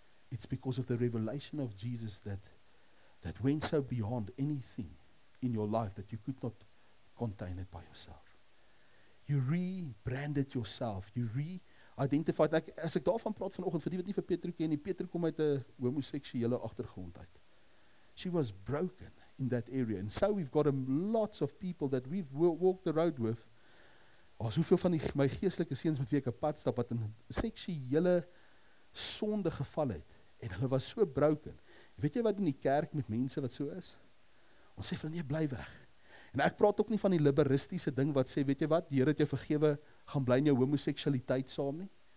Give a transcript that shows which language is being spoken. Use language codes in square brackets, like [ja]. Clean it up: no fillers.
[en] It's because of the revelation of Jesus that went so beyond anything in your life that you could not contain it by yourself. You rebranded yourself. You re-identified. [af] As ek daarvan praat vanochtend, vir die wat nie vir Petru ken, Petru kom uit 'n homoseksuele achtergrond uit. [en] She was broken in that area. And so we've got lots of people that we've walked the road with. [af] As hoeveel van my geestelike seuns met wie ek 'n pad stap, wat in seksuele sonde geval het. En hulle was so broken. Weet jy wat in die kerk met mense wat so is? Ons sê vir hulle nie, bly weg. En ek praat ook nie van die liberistiese ding wat sê, weet jy wat, die Here het jou vergewe, gaan bly in jou homoseksualiteit saam nie.